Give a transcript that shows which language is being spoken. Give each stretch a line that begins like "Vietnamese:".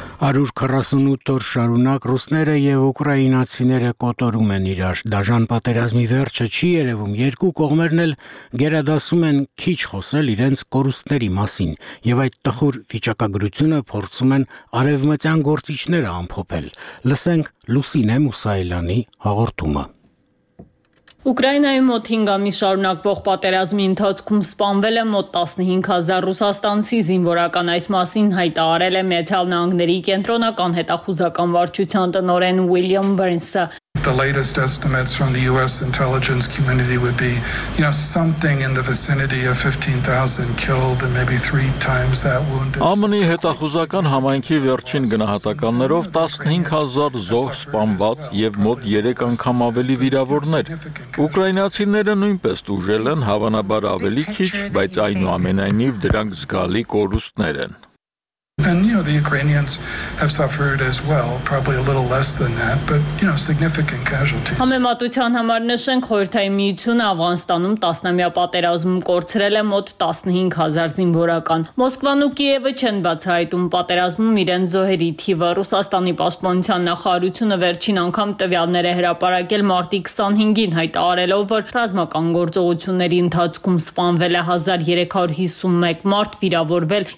Armenian: Արուր 48 օր շարունակ ռուսները եւ ուկրաինացիները կոտորում են իրար։ Դաժան պատերազմի վերջը չի երևում, երկու կողմերն էլ գերադասում են քիչ խոսել իրենց կորուստների մասին, եւ այդ տխուր վիճակագրությունը փորձում են արևմտյան գործիչները ամփոփել։ Լսենք Լուսինե Մուսայելյանի հաղորդումը։ Ուկրաինայում մոտ 5 ամիս շարունակվող պատերազմի ընթացքում սպանվել է մոտ 15,000 ռուսաստանցի, զինվորական այս մասին հայտարարել է Միացյալ Նահանգների կենտրոնական հետախուզական վարչության տնօրեն Ուիլյամ Բերնսը։
English: The latest estimates from the US intelligence community would be, you know, something in the vicinity of 15,000 killed and maybe 3 times that wounded.
Armenian: ԱՄՆ-ի հետախուզական համայնքի վերջին գնահատականներով 15,000 զոհ սպանված եւ մոտ 3 անգամ ավելի վիրավորներ։ Ուկրաինացիները նույնպես ուժել են, հավանաբար ավելի քիչ, բայց այնուամենայնիվ դրանք զգալի կորուստներ են։
English: And you know the Ukrainians have suffered as well, probably a little less than that, but you know significant casualties.
Armenian: Համեմատության համար նշենք, Խորհրդային Միությունը Աֆղանստանում տասնամյա պատերազմում կորցրել է մոտ 15,000 զինվորական։ Մոսկվան ու Կիևը չեն բացահայտում պատերազմում իրենց զոհերի թիվը։ Ռուսաստանի պաշտպանության նախարարությունը վերջին անգամ տվյալներ է հրապարակել մարտի 25-ին, հայտարարելով, որ ռազմական գործողությունների ընթացքում սպանվել է 1351 մարդ, վիրավորվել